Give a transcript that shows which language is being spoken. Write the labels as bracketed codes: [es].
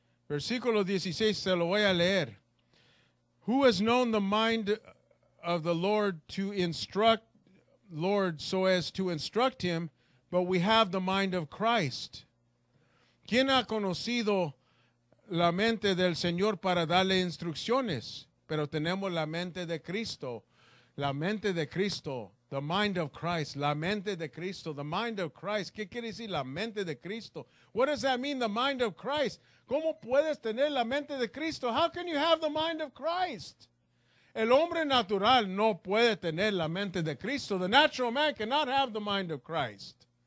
[es] Versículo 16, se lo voy a leer. [en] Who has known the mind of the Lord to instruct Lord so as to instruct him, but we have the mind of Christ. [es] ¿Quién ha conocido la mente del Señor para darle instrucciones? Pero tenemos la mente de Cristo. La mente de Cristo. [en] The mind of Christ, [es] la mente de Cristo, [en] the mind of Christ. [es] ¿Qué quiere decir la mente de Cristo? [en] What does that mean, the mind of Christ? [es] ¿Cómo puedes tener la mente de Cristo? [en] How can you have the mind of Christ? [es] El hombre natural no puede tener la mente de Cristo. [en] The natural man cannot have the mind of Christ.